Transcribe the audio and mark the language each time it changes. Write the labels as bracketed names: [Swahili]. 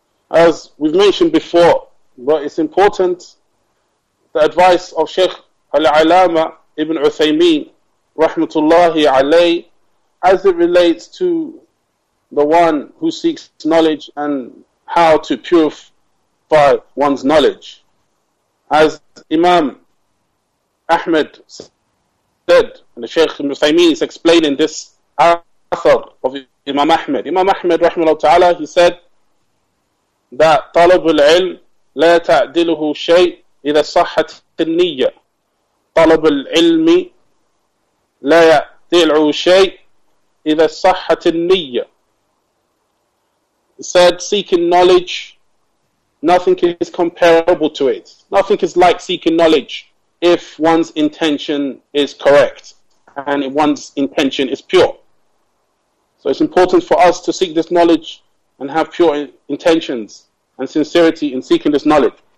[English] As we've mentioned before, but it's important, the advice of Sheikh Al-Alama Ibn Uthaymeen rahmatullahi alayh, as it relates to the one who seeks knowledge and how to purify one's knowledge. As Imam Ahmed said, and the Shaykh Ibn Uthaymeen is explaining this author of Imam Ahmed. Imam Ahmed, rahimahullah ta'ala, he said that [Arabic] طلب العلم لا تعدله شيء إذا صحت النية. طلب العلم لا يعدله شيء إذا صحت النية. [English] He said, seeking knowledge, nothing is comparable to it. Nothing is like seeking knowledge if one's intention is correct and one's intention is pure. So it's important for us to seek this knowledge and have pure intentions and sincerity in seeking this knowledge.